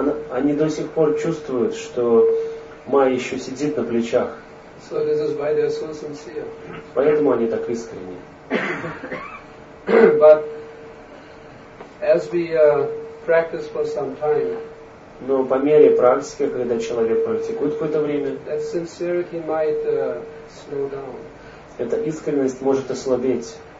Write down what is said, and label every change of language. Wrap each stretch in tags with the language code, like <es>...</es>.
<ru>Они до сих пор чувствуют, что Майя еще сидит на плечах.</ru> <en>So this is why they are so sincere.</en> <ru>Поэтому они так искренни.</ru> <en>But as we practice for some time,</en> <ru>но по мере практики, когда человек практикует какое-то время,</ru> <en>that sincerity might slow down.</en> <ru>Эта искренность может ослабеть.</ru>